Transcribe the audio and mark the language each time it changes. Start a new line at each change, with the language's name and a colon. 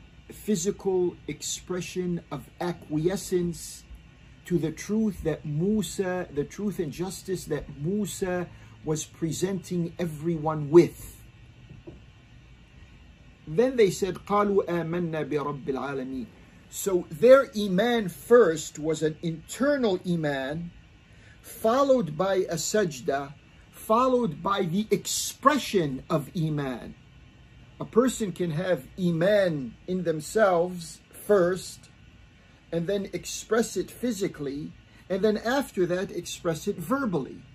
English: physical expression of acquiescence to the truth that Musa, the truth and justice that Musa was presenting everyone with. Then they said,
Arabic: قَالُوا آمَنَّا بِرَبِّ الْعَالَمِينَ.
English: So their iman first was an internal iman, followed by a sajda, followed by the expression of iman. A person can have iman in themselves first, and then express it physically, and then after that express it verbally.